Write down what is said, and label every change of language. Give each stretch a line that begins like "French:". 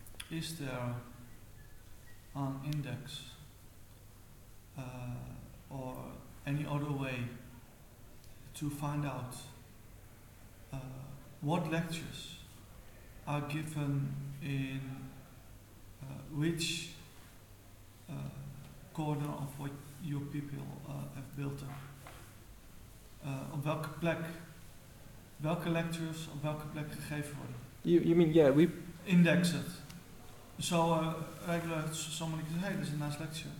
English: Is there an index or any other way to find out what lectures are given in which corner of what your people have built up?
Dutch: Op welke plek, welke lectures op welke plek gegeven worden?
English: You mean, yeah, we... Index it. So, regular, somebody says, hey, this is a nice lecture.